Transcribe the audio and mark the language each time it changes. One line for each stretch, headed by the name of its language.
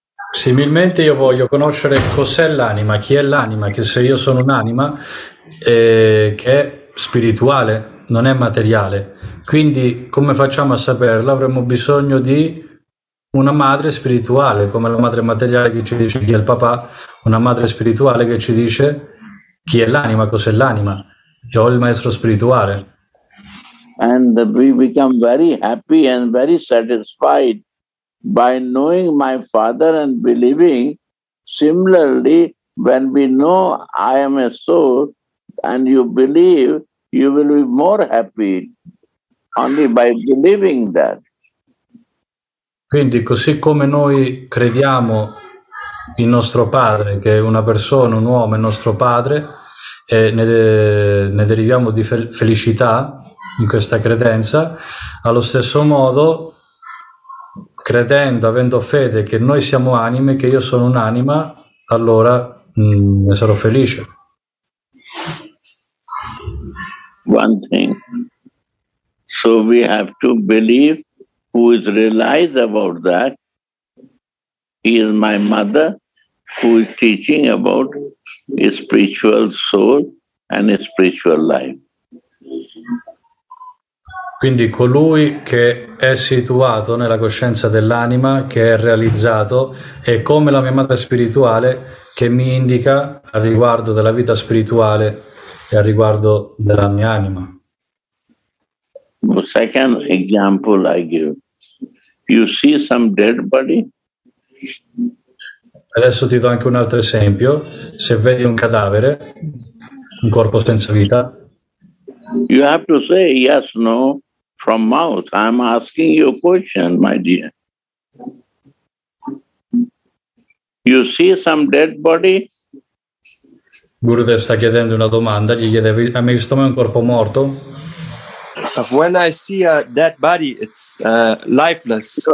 Italian: Similmente io voglio conoscere cos'è l'anima, chi è l'anima, che se io sono un'anima che è spirituale, non è materiale. Quindi come facciamo a saperlo? Avremmo bisogno di una madre spirituale, come la madre materiale che ci dice chi è il papà, una madre spirituale che ci dice chi è l'anima, cos'è l'anima. Io ho il maestro spirituale.
English: And we become very happy and very satisfied by knowing my father and believing. Similarly, when we know I am a soul and you believe, you will be more happy only by believing that.
Italian: Quindi, così come noi crediamo in nostro padre, che è una persona, un uomo, è nostro padre, e ne deriviamo di felicità in questa credenza, allo stesso modo, credendo, avendo fede che noi siamo anime, che io sono un'anima, allora ne sarò felice.
English: One thing. So we have to believe who is realized about that is my mother, who is teaching about a spiritual soul and a spiritual life.
Italian: Quindi colui che è situato nella coscienza dell'anima, che è realizzato, è come la mia madre spirituale che mi indica al riguardo della vita spirituale e al riguardo della mia anima.
English: The second example I give. You see some dead body?
Italian: Adesso ti do anche un altro esempio. Se vedi un cadavere, un corpo senza vita,
English: you have to say yes, no. From mouth, I'm asking you a question, my dear. You see some dead body?
Italian: Gurudev sta chiedendo una domanda, gli chiede: hai mai visto mai un corpo morto?
English: When I see a dead body, it's lifeless.